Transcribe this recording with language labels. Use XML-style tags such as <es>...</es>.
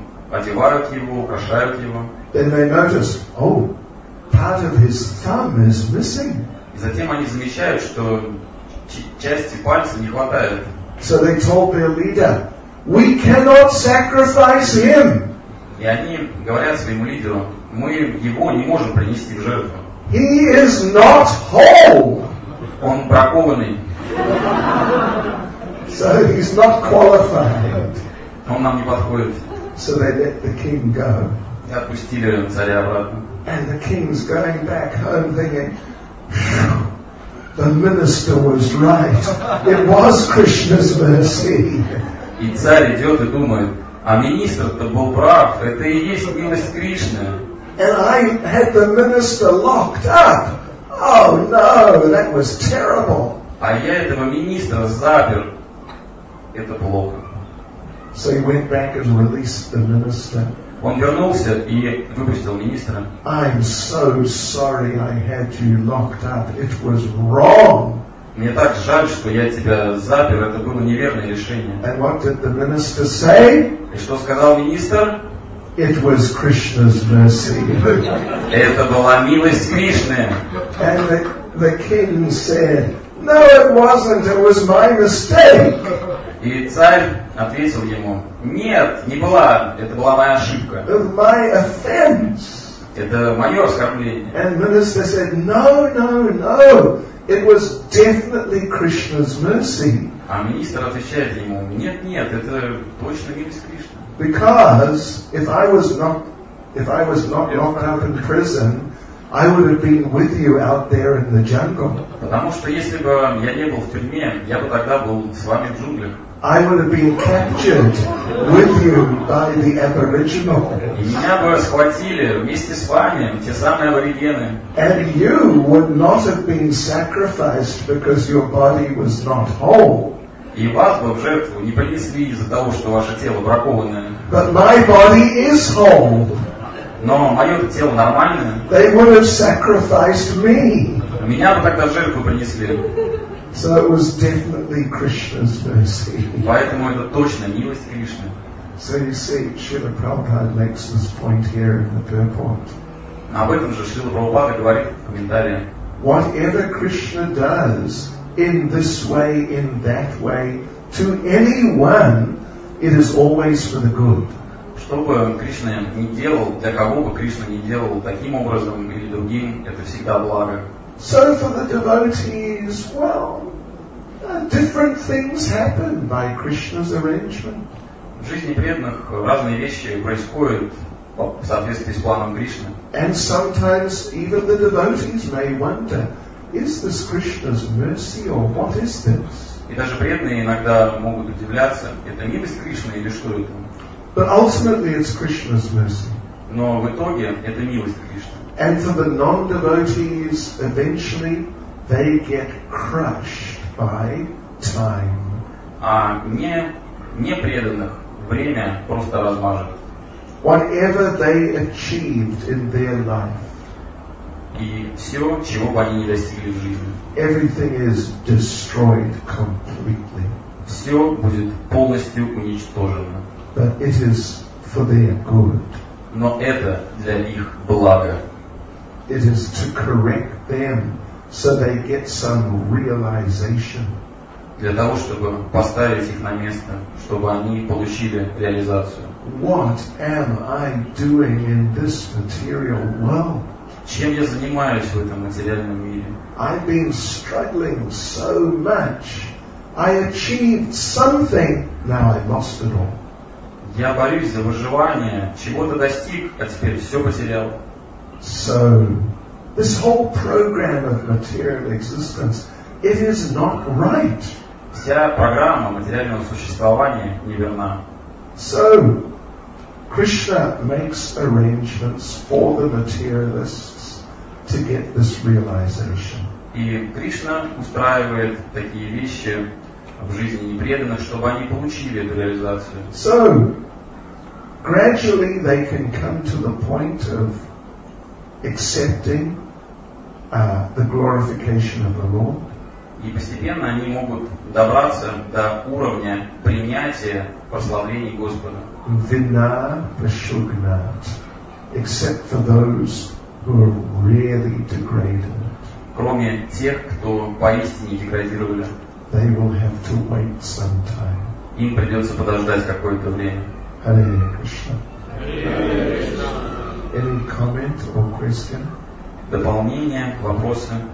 <ru>Одевают его, украшают его.</ru> <en>Then they notice, part of his thumb is missing.</en> <ru>И затем они замечают, что части пальца не хватает.</ru> <en>So they told their leader, we cannot sacrifice him.</en> <ru>И они говорят своему лидеру: мы его не можем принести в жертву.</ru> <en>He is not whole.</en> <ru>Он бракованный.</ru> <en>So he's not qualified.</en> <ru>Он нам не подходит.</ru> <en>So they let the king go.</en> <ru>И отпустили царя обратно.</ru> <en>And the king's going back home thinking, the minister was right. It was Krishna's mercy.</en> <ru>И царь идет и думает: а министр-то был прав. Это и есть милость Кришны.</ru> <en>And I had the minister locked up. Oh no, that was terrible.</en> <ru>А я этого министра запер. Это плохо.</ru> <en>So he went back and released the minister.</en> <ru>Он вернулся и выпустил министра.</ru> <en>I'm so sorry I had you locked up. It was wrong.</en> <ru>Мне так жаль, что я тебя запер. Это было неверное решение.</ru> <en>And what did the minister say?</en> <ru>И что сказал министр?</ru> <en>It was Krishna's mercy.</en> <ru>Это была милость Кришны.</ru> <en>And the king said, no, it wasn't. It was my mistake.</en> <ru>И царь ответил ему: нет, не была, это была моя ошибка.</ru> <en>My offense.</en> <ru>Это мое оскорбление.</ru> <en>And minister said, no, it was definitely Krishna's mercy.</en> <ru>А министр отвечает ему: нет, это точно милость Кришны.</ru> <en>Because if I was not locked up in prison, I would have been with you out there in the jungle.</en> <ru>Потому что если бы я не был в тюрьме, я бы тогда был с вами в джунглях.</ru> <en>I would have been captured with you by the aboriginal.</en> <ru>И меня бы схватили вместе с вами, те самые аборигены.</ru> <en>And you would not have been sacrificed because your body was not whole.</en> <ru>И вас бы в жертву не принесли из-за того, что ваше тело бракованное.</ru> <en>But my body is whole.</en> <ru>Но мое тело нормальное.</ru> <en>They would have sacrificed me.</en> <ru>Меня бы тогда в жертву принесли.</ru> <en>So it was definitely Krishna's mercy.</en> <ru>Поэтому это точно милость Кришны.</ru> <en>So you see, Srila Prabhupada makes this point here in the purport.</en> <ru>Об этом же Шрила Прабхупада говорит в комментариях.</ru> <en>Whatever Krishna does in this way, in that way, to anyone, it is always for the good.</en> <ru>Что бы Кришна ни делал, для кого бы Кришна ни делал, таким образом или другим, это всегда благо.</ru> <en>So for the devotees, different things happen by Krishna's arrangement.</en> <ru>В жизни преданных разные вещи происходят в соответствии с планом Кришны.</ru> <en>And sometimes even the devotees may wonder, is this Krishna's mercy or what is this?</en> <ru>И даже преданные иногда могут удивляться, это милость Кришны или что это?</ru> <en>But ultimately it's Krishna's mercy.</en> <ru>Но в итоге это милость Кришны.</ru> <en>And for the non-devotees, eventually they get crushed by time.</en> <ru>А не преданных время просто размажет.</ru> <en>Whatever they achieved in their life.</en> <ru>И все, чего бы они не достигли в жизни.</ru> <en>Everything is destroyed completely.</en> <ru>Все будет полностью уничтожено.</ru> <en>But it is for their good.</en> <ru>Но это для их благо.</ru> <en>It is to correct them so they get some realization.</en> <ru>Для того, чтобы поставить их на место, чтобы они получили реализацию.</ru> <en>What am I doing in this material world?</en> <ru>Чем я занимаюсь в этом материальном мире?</ru> <en>I've been struggling so much I achieved something, now I lost it all.</en> <ru>Я борюсь за выживание, чего-то достиг, а теперь все потерял.</ru> <en>So, this whole program of material existence, it is not right.</en> <ru>Вся программа материального существования неверна.</ru> <en>So, Krishna makes arrangements for the materialists to get this realization.</en> <ru>И Кришна устраивает такие вещи в жизни непреданных, чтобы они получили эту реализацию.</ru> <en>So, gradually they can come to the point of accepting the glorification of the Lord.</en> <ru>И постепенно они могут добраться до уровня принятия прославления Господа.</ru> <sa>Vina Vishugnat,</sa> <en>except for those who are really degraded.</en> <ru>Кроме тех, кто поистине деградировали.</ru> <en>They will have to wait some time.</en> <ru>Им придется подождать какое-то время.</ru> <sa>Hare Krishna. Hare Krishna.</sa> <en>Any comment or question?</en> <ru>Дополнение, вопросы?</ru>